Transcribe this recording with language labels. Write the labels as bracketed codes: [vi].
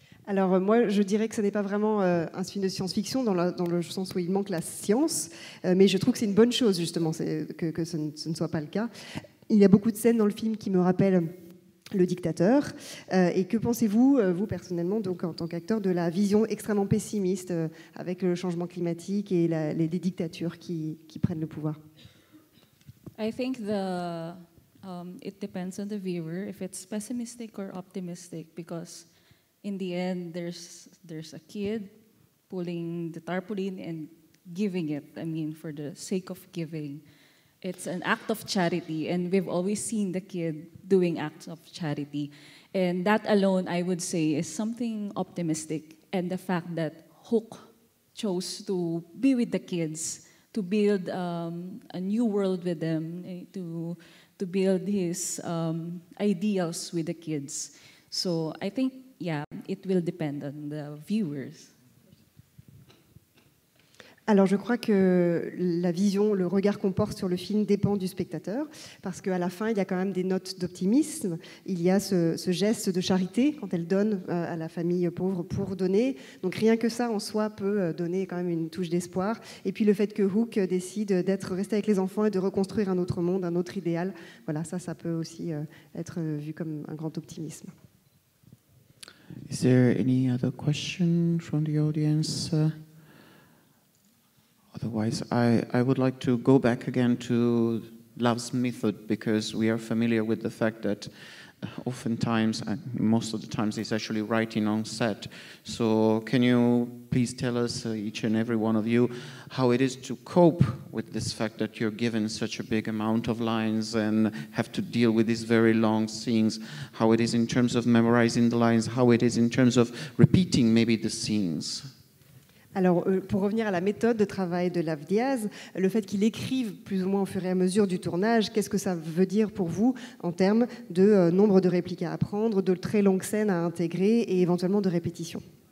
[fr] Alors moi, je dirais que ce n'est pas vraiment un film de science-fiction dans le sens où il manque la science, mais je trouve que c'est une bonne chose justement que ce ne soit pas le cas. Il y a beaucoup de scènes dans le film qui me rappellent le dictateur. Et que pensez-vous, vous personnellement, donc en tant qu'acteur, de la vision extrêmement pessimiste avec le changement climatique et les dictatures qui prennent le pouvoir? [en] I think it depends on the viewer if it's pessimistic or optimistic, because in the end there's a kid pulling the tarpaulin and giving it, I mean, for the sake of giving. It's an act of charity, and we've always seen the kid doing acts of charity. And that alone, I would say, is something optimistic. And the fact that Hook chose to be with the kids, to build a new world with them, to build his ideals with the kids. So I think, yeah, it will depend on the viewers. [fr] Alors je crois que la vision, le regard qu'on porte sur le film dépend du spectateur, parce qu'à la fin, il y a quand même des notes d'optimisme, il y a ce geste de charité quand elle donne à la famille pauvre pour donner, donc rien que ça en soi peut donner quand même une touche d'espoir, et puis le fait que Hook décide d'être resté avec les enfants et de reconstruire un autre monde, un autre idéal, voilà, ça peut aussi être vu comme un grand optimisme. [en] Is there any other question from the audience? Otherwise, I would like to go back again to love's method, because we are familiar with the fact that oftentimes, and most of the times, it's actually writing on set. So can you please tell us, each and every one of you, how it is to cope with this fact that you're given such a big amount of lines and have to deal with these very long scenes, how it is in terms of memorizing the lines, how it is in terms of repeating maybe the scenes? [fr] Alors, pour revenir à la méthode de travail de Lav Diaz, le fait qu'il écrive plus ou moins au fur et à mesure du tournage, qu'est-ce que ça veut dire pour vous en termes de nombre de répliques à apprendre, de très longues scènes à intégrer et éventuellement de répétitions?